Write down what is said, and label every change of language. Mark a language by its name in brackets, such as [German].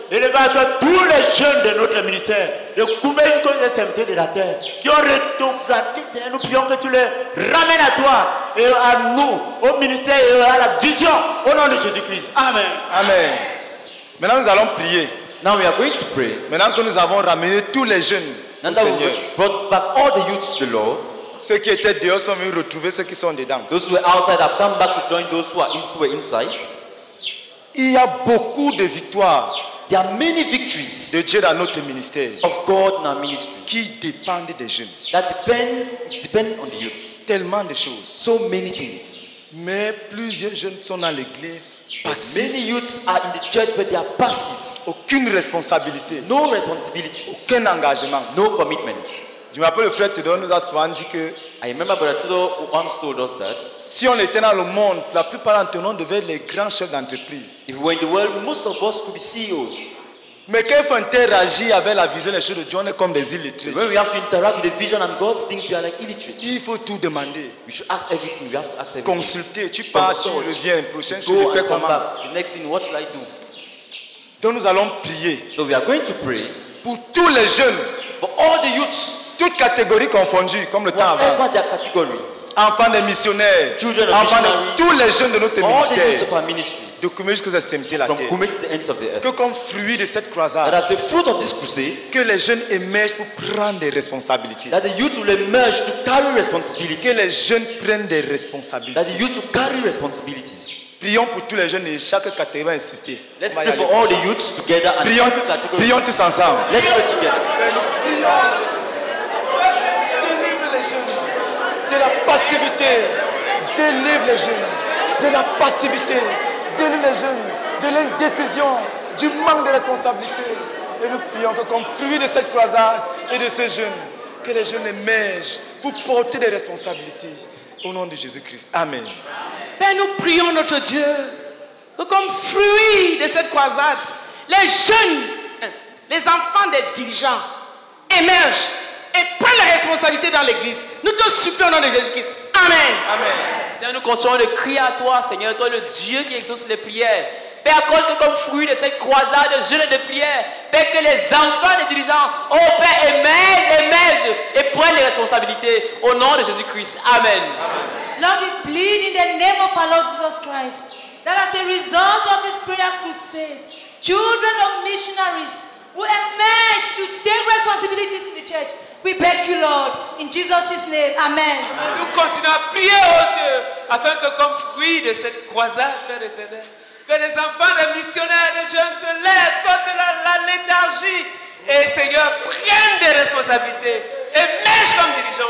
[French] Élevez-toi tous les jeunes de notre ministère, de Koumé jusqu'aux extrémités de la terre, qui ont rétrogradé, Seigneur, nous prions que tu les ramènes à toi et à nous, au ministère et à la vision, au nom de Jésus-Christ. Amen. Amen. Maintenant, nous allons prier. [English] Now we are going to pray. [French] Maintenant que nous avons ramené tous les jeunes au Seigneur, [English] brought back all the youths to the Lord, [French] ceux qui étaient dehors sont venus retrouver ceux qui sont dedans. [English] Those who were outside have come back to join those who are inside. [French] Il y a beaucoup de victoires. [English] There are many victories [French] de Dieu dans notre ministère. [English] Of God in our ministry. [French] Qui dépendent des jeunes. [English] That depend on the youth. [French] Tellement de choses. [English] So many things. [French] Mais plusieurs jeunes sont dans l'église passifs. [English] Many youths are in the church but they are passive. [French] Aucune responsabilité. [English] No responsibility. [French] Aucun engagement. [English] No commitment. [French] Je me rappelle le frère Tudor nous a souvent dit que. [English] I remember Brother Tudor once told us that. [French] Si on était dans le monde, la plupart d'entre nous devaient être les grands chefs d'entreprise. [English] If we were in the world, most of us could be CEOs. [French] Mais quand il faut interagir avec la vision des choses de Dieu, on est comme des illettrés. [English] When we have to interact with the vision and God's things, we are like illiterates. [French] Il faut tout demander. [English] We should ask everything. We have to ask everything. [French] Consulter. Tu pars, tu reviens. Prochain, tu le fais comment? Back. [English] The next thing, what should I do? [French] Donc nous allons prier. [English] So we are going to pray [French] pour tous les jeunes, [English] for all the youths, [French] toutes catégories confondues, comme le temps avance. [English] Whatever their category. [French] Enfants des missionnaires, [English] children of [French] enfants de tous les jeunes de notre [English] all [French] ministère, [English] the youths of our ministry, [French] de Koumé jusqu'aux extrémités de la [English] from [French] terre, [English] to the ends of the earth, [French] que comme fruit de cette croisade, [English] that as a fruit of this crusade, [French] que les jeunes émergent pour prendre des responsabilités, [English] that the youths will emerge to carry responsibilities, [French] que les jeunes prennent des responsabilités, [English] that the youths will carry responsibilities. [French] Prions pour tous les jeunes et chaque catégorie va insister. [English] Let's pray for all the youths together. And [French] prions tous ensemble. [English] Let's pray together. [French] Délivre les jeunes de la passivité. Délivre les jeunes de la passivité. Délivre les jeunes de l'indécision, du manque de responsabilité. Et nous prions que comme fruit de cette croisade et de ces jeunes, que les jeunes émergent pour porter des responsabilités. Au nom de Jésus-Christ. Amen. Père, nous prions notre Dieu que comme fruit de cette croisade, les jeunes, les enfants des dirigeants émergent et prennent la responsabilité dans l'église. Nous te supplions au nom de Jésus-Christ. Amen. Amen. Seigneur, nous continuons de crier à toi, Seigneur, toi le Dieu qui exauce les prières. Père, accorde que comme fruit de cette croisade de jeunes et de prières, Père, que les enfants des dirigeants, oh Père, émergent et prennent les responsabilités au nom de Jésus-Christ. Amen. Amen. [English] Lord, we plead in the name of our Lord Jesus Christ that as a result of this prayer crusade, children of missionaries will emerge to take responsibilities in the church. We beg you, Lord, in Jesus' name. Amen. Amen. [French] Nous continuons à prier, oh Dieu, afin que comme fruit de cette croisade, Père éternel, que les enfants des missionnaires, des jeunes se lèvent, sortent de la léthargie et, Seigneur, prennent des responsabilités et mèchent comme dirigeants.